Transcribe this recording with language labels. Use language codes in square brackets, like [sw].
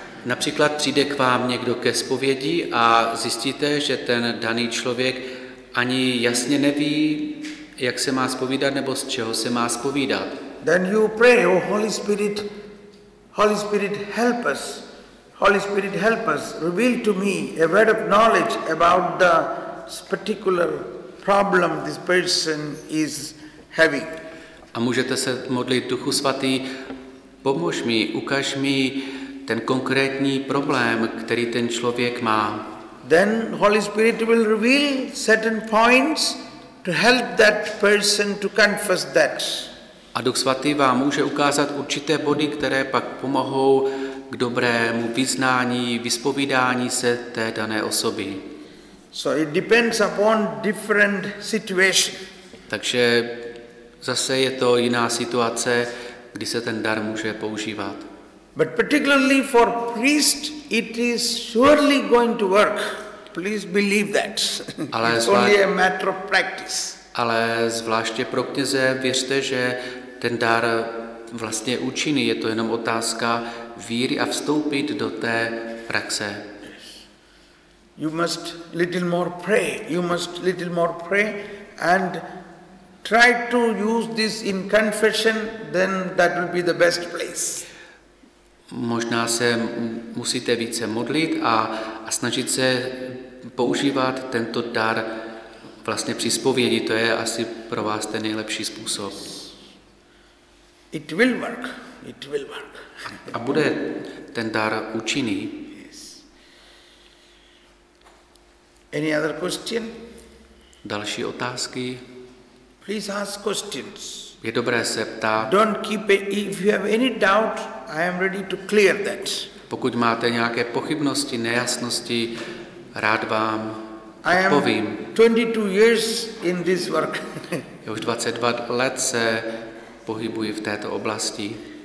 [cs] Například přijde k vám někdo ke zpovědi a zjistíte, že ten daný člověk ani jasně neví, jak se má zpovídat nebo z čeho se má zpovídat. [en] Then you pray, oh Holy Spirit, help us. Holy Spirit, help us. Reveal to me a word of knowledge about the particular problem this person is having. [cs] A můžete se modlit Duchu svatý, pomož mi, ukaž mi ten konkrétní problém, který ten člověk má. [en] Then Holy Spirit will reveal certain points to help that person to confess that. [cs] A Duch svatý vám může ukázat určité body, které pak pomohou k dobrému vyznání, vyspovídání se té dané osoby. [en] So it depends upon different situation. [cs] Takže zase je to jiná situace, kdy se ten dar může používat. [en] But particularly for priest, it is surely going to work. Please believe that. [cs] Ale [en] it's only a matter of practice. [cs] Ale zvláště pro kněze věřte, že ten dar vlastně účinný. Je to jenom otázka víry a vstoupit do té praxe. [en] You must little more pray. You must little more pray and try to use this in confession, then that will be the best place. [cs] Možná se musíte více modlit a snažit se používat tento dar vlastně při zpovědi. To je asi pro vás ten nejlepší způsob. [en] It will work. It will work. [cs] A bude ten dar účinný. [en] Any other question? [cs] Další otázky. [en] Please ask questions. [cs] Je dobré se ptát. [en] Don't keep it. If you have any doubt, I am ready to clear that. [cs] Pokud máte nějaké pochybnosti, nejasnosti, rád vám odpovím. [en] I am 22 years in this work. [cs] Já už 22 let se pohybuji v této oblasti.